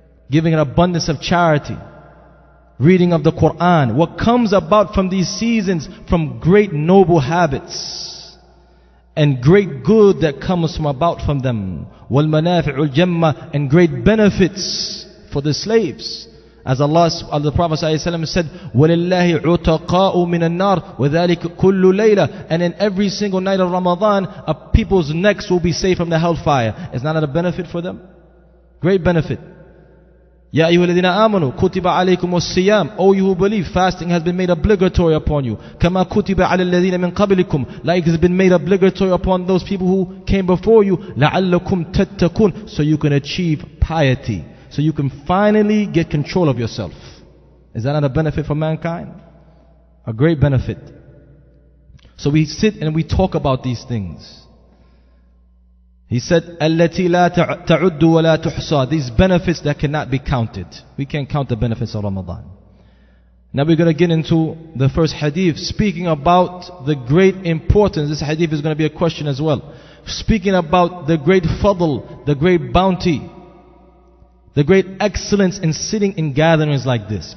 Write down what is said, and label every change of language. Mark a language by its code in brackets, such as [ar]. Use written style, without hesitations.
[en] Giving an abundance of charity. Reading of the Quran. What comes about from these seasons, from great noble habits. And great good that comes from about from them. [ar] وَالْمَنَافِعُ الْجَمَّةِ. [en] And great benefits for the slaves. As Allah, as the Prophet ﷺ said, [ar] وَلِلَّهِ عُتَقَاءُ مِنَ النَّارِ وَذَلِكَ كُلُّ لَيْلَةِ. [en] And in every single night of Ramadan, a people's necks will be saved from the hellfire. Is that a benefit for them? Great benefit. [ar] يَا أَيُّهَا الَّذِينَ آمَنُوا كُتِبَ عَلَيْكُمُ الصِّيَامُ. [en] O you who believe, fasting has been made obligatory upon you. [ar] كَمَا كُتِبَ عَلَى الَّذِينَ مِنْ قَبْلِكُمْ. [en] Like it's been made obligatory upon those people who came before you. [ar] لَعَلَّكُمْ تَتَّقُونَ. [en] So you can achieve piety. So you can finally get control of yourself. Is that not a benefit for mankind? A great benefit. So we sit and we talk about these things. He said, [ar] "التي لا تعد ولا تحصى." [en] These benefits that cannot be counted. We can't count the benefits of Ramadan. Now we're going to get into the first hadith, speaking about the great importance. This hadith is going to be a question as well. Speaking about the great fadl, the great bounty, the great excellence in sitting in gatherings like this.